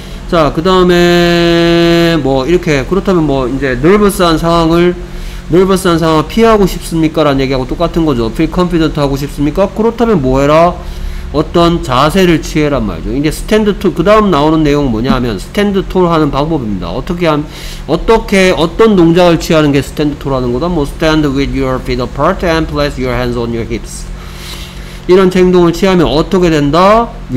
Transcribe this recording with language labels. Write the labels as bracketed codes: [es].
[ko] 자, 그 다음에 뭐 이렇게 그렇다면 뭐 이제 넓어스한 상황을 넓어스한 상황을 피하고 싶습니까? 라는 얘기하고 똑같은 거죠. Feel confident 하고 싶습니까? 그렇다면 뭐 해라? 어떤 자세를 취해란 말이죠. 이제 스탠드 톨, 그 다음 나오는 내용은 뭐냐 하면 스탠드 톨 하는 방법입니다. 어떤 동작을 취하는 게 스탠드 톨 하는 거다? [en] 뭐 stand with your feet apart and place your hands on your hips. [ko] 이런 행동을 취하면 어떻게 된다?